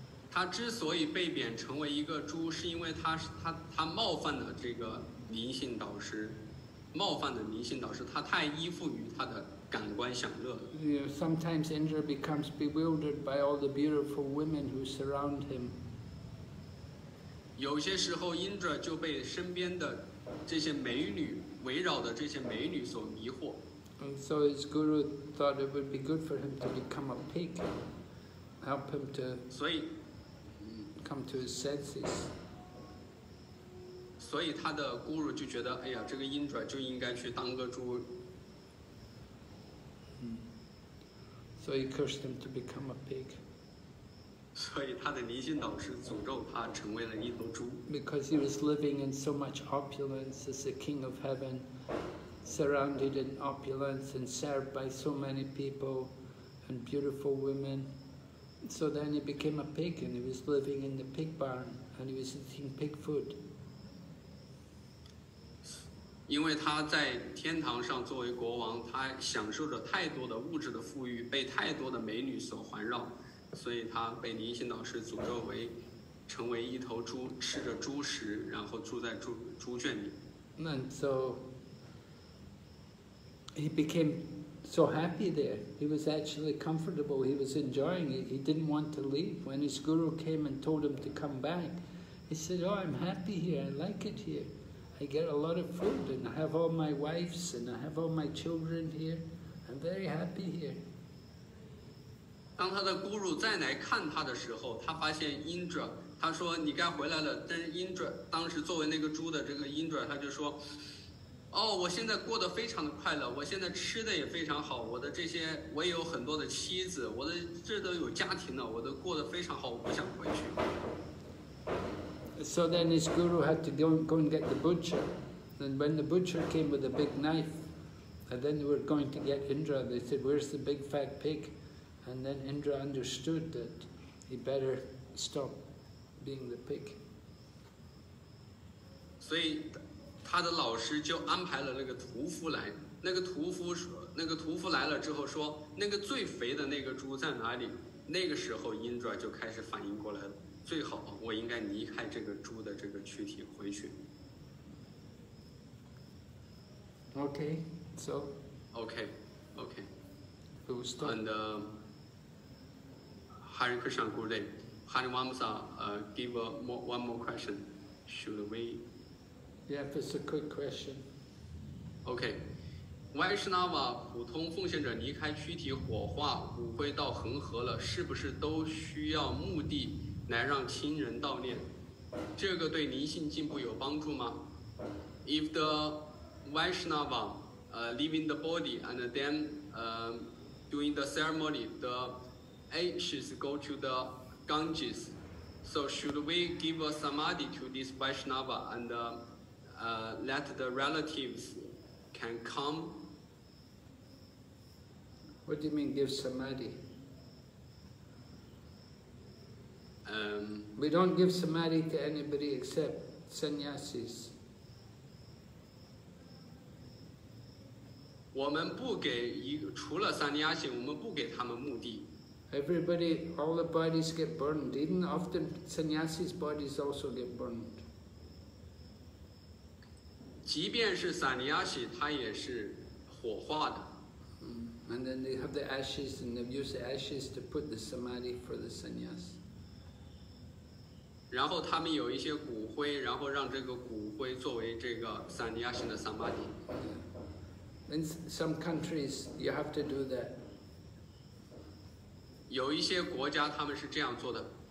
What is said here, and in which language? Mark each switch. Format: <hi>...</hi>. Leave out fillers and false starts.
<zh>他之所以被贬成为一个猪，是因为他冒犯了这个灵性导师，冒犯了灵性导师，他太依附于他的感官享乐了。</zh> <en>You know, sometimes Indra becomes bewildered by all the beautiful women who surround him.</en> <zh>有些时候 ，Indra 就被身边的这些美女围绕的这些美女所迷惑。</zh> <en>And so his guru thought it would be good for him to become a pig, help him to.</en> <zh>所以。</zh> <en>Come to his senses.</en> <zh>所以他的孤儒就觉得，哎呀，这个Indra就应该去当个猪。</zh> <en>So he cursed him to become a pig.</en> <zh>所以他的灵性导师诅咒他成为了一头猪。</zh> <en>Because he was living in so much opulence as the king of heaven, surrounded in opulence and served by so many people and beautiful women. So then he became a pig, and he was living in the pig barn, and he was eating pig food.</en> <zh>因为他在天堂上作为国王，他享受着太多的物质的富裕，被太多的美女所环绕，所以他被灵性导师诅咒为成为一头猪，吃着猪食，然后住在猪圈里。</zh> <en>And so he became. So happy there. He was actually comfortable. He was enjoying it. He didn't want to leave. When his guru came and told him to come back, he said, Oh, I'm happy here. I like it here. I get a lot of food and I have all my wives and I have all my children here. I'm very happy here.</en> <zh>当他的孤儒再来看他的时候，他发现 Indra, 他说你该回来了。但是 Indra, 当时作为那个猪的这个 Indra, 他就说哦、oh, ，我现在过得非常的快乐，我现在吃的也非常好，我的这些我也有很多的妻子，我的这都有家庭了，我都过得非常好，我不想回去。</zh> <en>So then his guru had to go and get the butcher, and when the butcher came with a big knife, and then they were going to get Indra, they said, "Where's the big fat pig?" And then Indra understood that he better stop being the pig.</en> <zh>所以。他的老师就安排了那个屠夫来，那个屠夫来了之后说，那个最肥的那个猪在哪里？那个时候 Indra 就开始反应过来了，最好我应该离开这个猪的这个躯体回去。</zh> <en>Okay, so. Okay, okay. We'll stop. And Hare Krishna Guru, Hare Vamsa, give one more question. Should we? Yeah, it's a quick question.</en> <zh>Okay. Vaishnava, 普通奉献者离开躯体火化骨灰到恒河了，是不是都需要墓地来让亲人悼念？这个对灵性进步有帮助吗？</zh> <en>If the Vaishnava, leaving the body and then, doing the ceremony, the ashes go to the Ganges. So should we give a samadhi to this Vaishnava and, let the relatives can come. What do you mean, give samadhi? We don't give samadhi to anybody except sannyasis.</en> <zh>我们不给除了 sannyasi, 我们不给他们墓地。</zh> <en>Everybody, all the bodies get burned. Even often sannyasis' bodies also get burned.</en> <zh>即便是萨尼亚西，它也是火化的。</zh> <en>And then they have the ashes, and they use the ashes to put the samadhi for the sannyas.</en> <zh>然后他们有一些骨灰，然后让这个骨灰作为这个萨尼亚西的 samadhi。</zh> <en>In some countries, you have to do that.</en> <zh>有一些国家他们是这样做的。</zh>